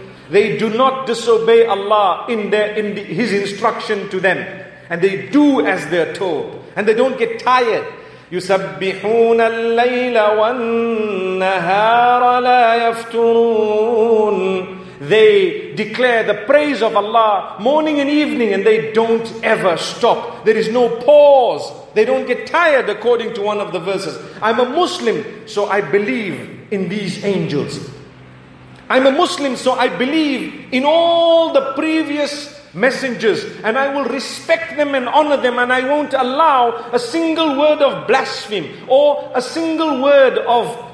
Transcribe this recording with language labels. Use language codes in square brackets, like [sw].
[en] They do not disobey Allah in His instruction to them, and they do as they're told, and they don't get tired. [ar] يسبحون الليل والنهار لا يفترون. [en] They declare the praise of Allah morning and evening, and they don't ever stop. There is no pause. They don't get tired, according to one of the verses. I'm a Muslim, so I believe in these angels. I'm a Muslim, so I believe in all the previous messengers, and I will respect them and honor them, and I won't allow a single word of blaspheme or a single word of